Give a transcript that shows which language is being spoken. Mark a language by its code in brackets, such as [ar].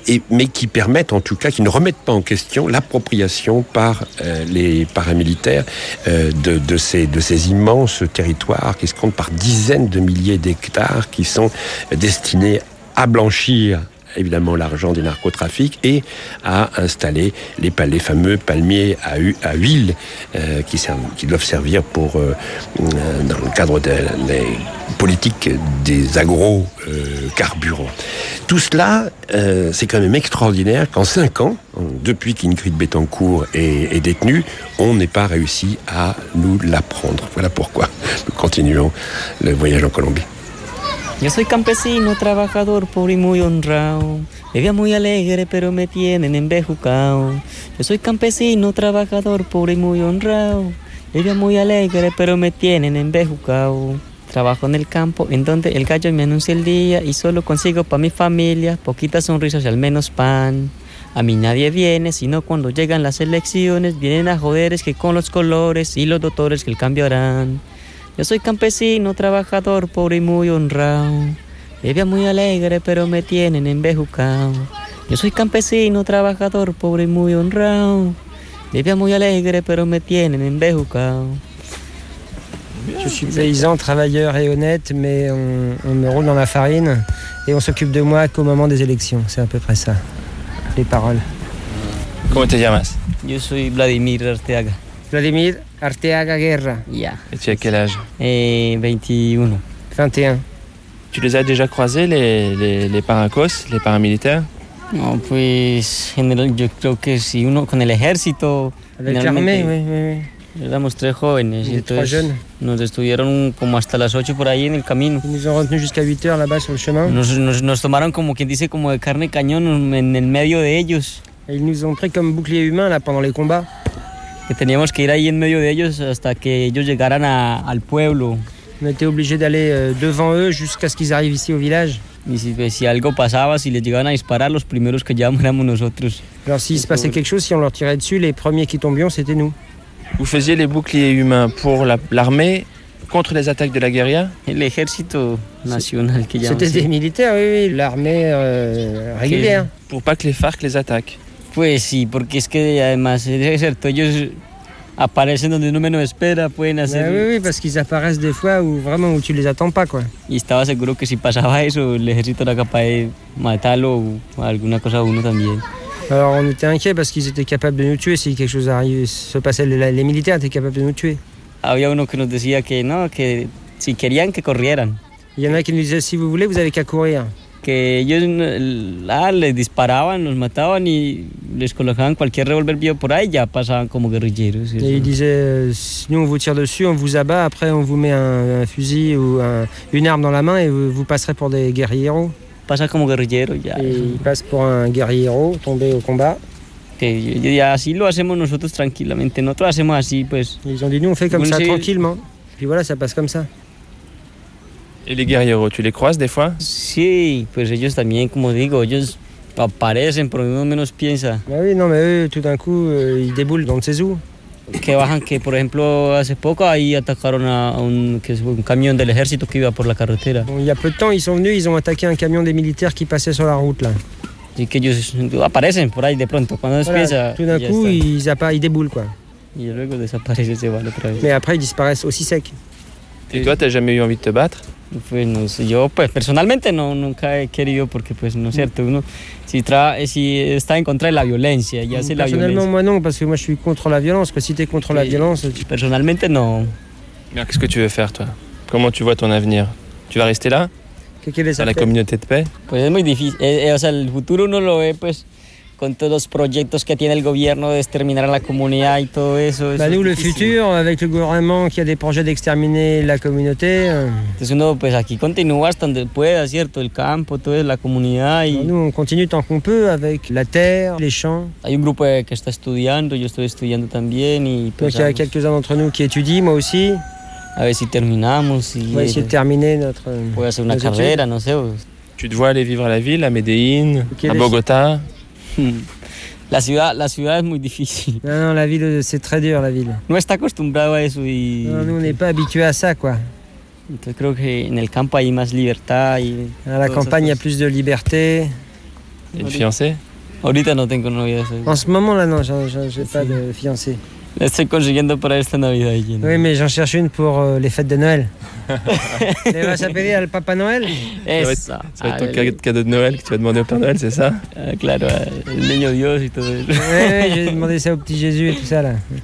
[fr] Mais qui permettent, en tout cas, qui ne remettent pas en question l'appropriation par les paramilitaires de ces immenses territoires qui se comptent par dizaines de milliers d'hectares qui sont destinés à blanchir, évidemment, l'argent des narcotrafics et à installer les fameux palmiers à huile qui doivent servir pour, dans le cadre des politiques des agro-carburants. Tout cela, c'est quand même extraordinaire qu'en 5 ans, depuis qu'Ingrid Betancourt est détenue, on n'ait pas réussi à nous l'apprendre. Voilà pourquoi nous continuons le voyage en Colombie. [es] Yo soy campesino, trabajador, pobre y muy honrado. Vivía muy alegre, pero me tienen embejucao. Yo soy campesino, trabajador, pobre y muy honrado. Vivía muy alegre, pero me tienen embejucao. Trabajo en el campo, en donde el gallo me anuncia el día, y solo consigo pa' mi familia poquitas sonrisas y al menos pan. A mí nadie viene, sino cuando llegan las elecciones, vienen a joder es que con los colores y los doctores que el cambio harán. Yo soy campesino, trabajador, pobre y muy honrado. Vivía muy alegre, pero me tienen embejucao. Yo soy campesino, trabajador, pobre y muy honrado. Vivía muy alegre, pero me tienen embejucao. [fr] Je suis paysan, travailleur et honnête, mais on me roule dans la farine. et on s'occupe de moi qu'au moment des élections. C'est à peu près ça, les paroles. Comment [es] te llamas? [fr] Je suis Vladimir Arteaga. Vladimir Arteaga Guerra. Yeah. Et tu as quel âge? Et 21. 21. Tu les as déjà croisés, les paracos, les paramilitaires? [es] Non, pues, general, yo creo que si uno con el ejército... [fr] Avec l'armée, oui, oui, oui. [es] Éramos [fr] très [es] jóvenes. [fr] Ils étaient jeunes. [es] Nos estuvieron como hasta las 8 por ahí en el camino. [fr] Ils nous ont retenus jusqu'à 8 heures là-bas sur le chemin. [es] Nos tomaron como quien dice como de carne cañón en el medio de ellos. [fr] Et ils nous ont pris comme bouclier humain là pendant les combats. [es] Que teníamos que ir ahí en medio de ellos hasta que ellos llegaran al pueblo. [fr] On était obligés d'aller devant eux jusqu'à ce qu'ils arrivent ici au village. [es] Y si algo pasaba, si les llegaban a disparar, los primeros que llevamos éramos nosotros. [fr] Alors s'il se passait quelque chose, si on leur tirait dessus, les premiers qui tombions, c'était nous. Vous faisiez les boucliers humains pour l'armée, contre les attaques de la guérilla? [es] L'ejército nacional. [fr] C'était des militaires, oui, oui, l'armée régulière. Que, pour pas que les FARC les attaquent. [es] Pues sí, porque es que además, es cierto, ellos aparecen donde uno menos espera, pueden hacer... [fr] Oui, oui, parce qu'ils apparaissent des fois où vraiment où tu les attends pas, quoi. [es] Y estaba seguro que si pasaba eso, l'ejército era capaz de matarlo o alguna cosa a uno también. [fr] Alors on était inquiets parce qu'ils étaient capables de nous tuer si quelque chose arrivait, se passait, les militaires étaient capables de nous tuer. [es] Había uno que nos decía que no, que si querían que corrieran. [fr] Il y en a qui nous disaient, si vous voulez, vous avez qu'à courir. [es] Que ellos, les disparaban, los mataban y les colocaban cualquier revólver vivo por ahí, ya pasaban como guerrilleros. [fr] Y ils disaient, si nous on vous tire dessus, on vous abat, après on vous met un fusil ou une arme dans la main et vous passerez pour des guerrilleros. [es] Pasa como guerrillero ya. Y pasa por un guerrillero [fr] tombé au combat. [es] Que y así lo hacemos nosotros tranquilamente. Nosotros hacemos así, pues. [fr] Ils ont dit, nous on fait comme ça, tranquillement. Puis voilà, ça passe comme ça. Et les guerrilleros, tu les croises des fois? [es] Sí, pues ellos también, como digo, ellos aparecen, por lo menos piensa. [fr] Ah oui, non, mais eux, tout d'un coup, ils déboulent, on ne sait où. [es] Que bajan, que por ejemplo, hace poco ahí atacaron a un camión del ejército que iba por la carretera. [fr] Bon, il y a peu de temps, ils sont venus, ils ont attaqué un camión des militaires qui passait sur la route, là. [es] Y que ellos aparecen por ahí de pronto, cuando [fr] voilà, Tout d'un coup, ils déboulent, quoi. [es] Y luego desaparecen, se van otra vez. [fr] Mais après, ils disparaissent aussi sec. Et toi, t'as jamais eu envie de te battre? [es] Pues no sé, yo pues personalmente no, nunca he querido porque pues no es cierto, uno si está en contra de la violencia, ya sé la violencia. Personalmente no, porque yo soy contra la violencia, [fr] si t'es [es] contra la violencia... Personalmente no. Mira, ¿qué es que tú quieres hacer, tú? ¿Cómo tú ves tu [fr] avenir? [es] ¿Tú vas a [fr] rester [es] ahí? ¿A la comunidad de paz? Pues es muy difícil, o sea, el futuro uno lo ve pues... Con todos los proyectos que tiene el gobierno de exterminar a la comunidad y todo eso. [fr] Bah, nous, le futur, avec le gouvernement qui a des projets d'exterminer la communauté. [es] Entonces, uno, pues aquí continúa hasta donde pueda, ¿cierto? El campo, todo eso, la comunidad. Y... [fr] Nous, on continue tant qu'on peut avec la terre, les champs. [es] Hay un grupo que está estudiando, yo estoy estudiando también. Y [fr] pues, donc, il y a quelques-uns d'entre nous qui étudient, moi aussi. [es] A ver si terminamos. Si [fr] on va essayer de terminer notre. [es] Puede hacer una carrera, no sé. [fr] Tu te vois aller vivre à la ville, à Medellín, okay, à Bogotá. [es] La ciudad es muy difícil. No, no, [fr] la ville, c'est très dur, la ville. [es] No está acostumbrado a eso y... No, no, [fr] on n'est pas habitué à ça, quoi. [es] Entonces creo que en el campo hay más libertad y... [fr] A la campagne, il y a plus de liberté. [es] ¿Y el [fr] fiancé? [es] Ahorita no tengo novia. [fr] En ce moment-là, [es] no, [fr] j'ai pas de fiancé. [es] La estoy consiguiendo para esta Navidad. Y [fr] oui, mais j'en cherche une pour les fêtes de Noël. [es] ¿Le vas a pedir al Papa Noël? Eso. [fr] C'est ton cadeau de Noël que tu vas demander au Père Noël, c'est ça? [es] Claro, el niño Dios y todo eso. [fr] Oui, j'ai demandé ça au petit Jésus et tout ça, là.